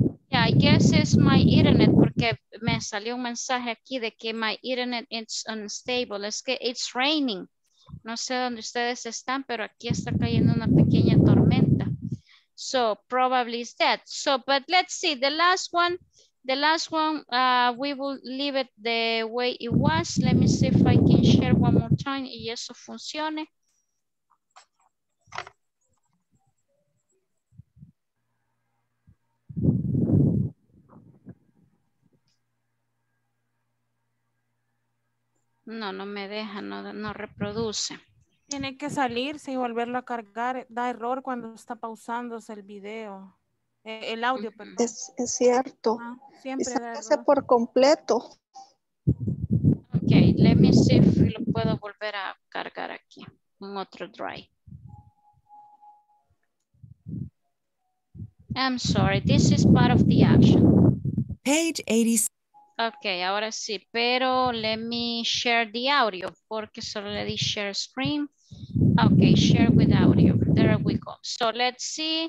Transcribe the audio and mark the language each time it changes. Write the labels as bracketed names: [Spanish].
[English] Yeah, I guess it's my internet [Spanish] porque me salió un mensaje aquí de que [English] my internet is unstable. [Spanish] Es que [English] it's raining. [Spanish] No sé dónde ustedes están, pero aquí está cayendo una pequeña tormenta. [English] So probably it's that. So, but let's see the last one. The last one, we will leave it the way it was. Let me see if I can share one more time [Spanish] y eso funcione. No, no me deja, no, no reproduce. Tiene que salirse y volverlo a cargar. Da error cuando está pausándose el video. El audio, perdón. Es cierto. Siempre se hace por completo. [English] Ok, let me see if [Spanish] lo puedo volver a cargar aquí. Un otro drive. [English] I'm sorry, this is part of the action. Page 86. Ok, [Spanish] ahora sí, pero [English] let me share the audio [Spanish] porque solo le di [English] share screen. Ok, share with audio. There we go. So let's see.